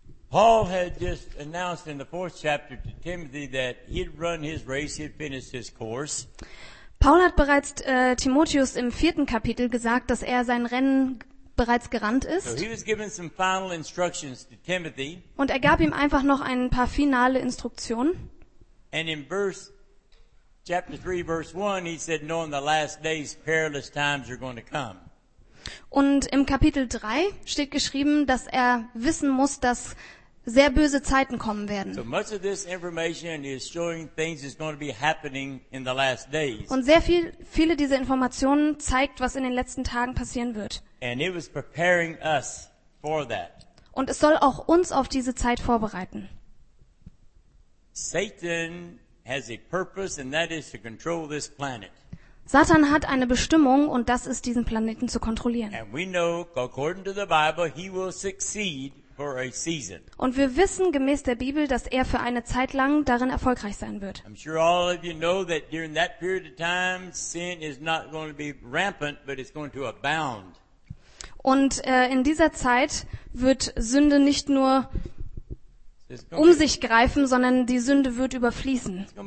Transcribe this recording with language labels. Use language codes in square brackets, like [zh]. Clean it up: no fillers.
[en] Paul had just announced in the 4th chapter to Timothy that he'd run his race, he'd finished his course. [de] Paul hat bereits Timotheus im 4. Kapitel gesagt, dass er sein Rennen bereits gerannt ist. [en] So he was given some final instructions to Timothy. [de] Und er gab ihm einfach noch ein paar finale Instruktionen. [en] And in verse, chapter 3, verse 1, he said, knowing the last days, perilous times are going to come. [de] Und im Kapitel 3 steht geschrieben, dass er wissen muss, dass sehr böse Zeiten kommen werden. [en] So much of this information is showing things is going to be happening in the last days. [de] Und sehr viel, viele dieser Informationen zeigt, was in den letzten Tagen passieren wird. [en] And it was preparing us for that. [de] Und es soll auch uns auf diese Zeit vorbereiten. [en] Satan has a purpose, and that is to control this planet. [de] Satan hat eine Bestimmung, und das ist, diesen Planeten zu kontrollieren. [en] And we know, according to the Bible, he will succeed for a season. [de] Und wir wissen gemäß der Bibel, dass er für eine Zeit lang darin erfolgreich sein wird. [en] I'm sure all of you know that during that period of time, sin is not going to be rampant, but it's going to abound. [de] Und in dieser Zeit wird Sünde nicht nur um sich greifen, sondern die Sünde wird überfließen.